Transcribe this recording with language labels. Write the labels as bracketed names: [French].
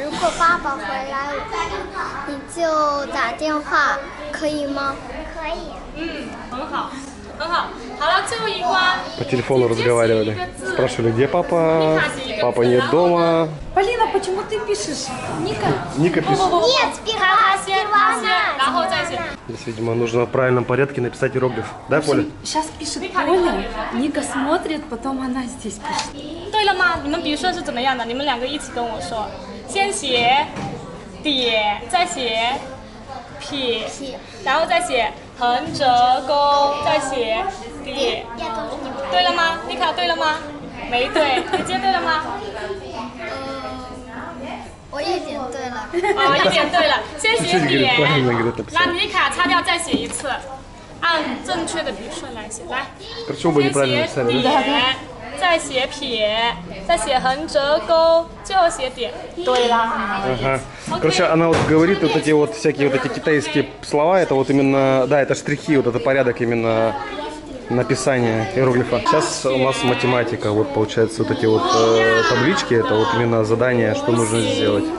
[Chinese] 如果爸爸回来，你就打电话，可以吗？可以。很好。好了，最后一关。 [Russian] По телефону разговаривали，спрашивали, где папа? Папа нет дома. Полина, почему ты пишешь? Ника. Ника пишет. Нет, Пивана. Пивана. Здесь, видимо, нужно в правильном порядке написать иероглиф. Да, Поля? Сейчас пишет Поля, Ника смотрит, потом она здесь пишет. [Chinese] 对了吗？你们笔顺是怎么样的？你们两个一起跟我说，先写点，再写撇，然后再写横折钩，再写点。对了吗？妮卡对了吗？没对，你接对了吗？我一点对了。哦，一点对了，先写点，让妮卡擦掉，再写一次，按正确的笔顺来写，来，先写点。再写撇，再写横折钩，最后写点。对啦。 [Russian] Короче, она вот говорит вот эти вот всякие вот эти китайские слова, это вот именно, да, это штрихи, вот это порядок именно написания иероглифа. Сейчас у нас математика, вот получается вот эти вот таблички, это вот именно задание, что нужно сделать.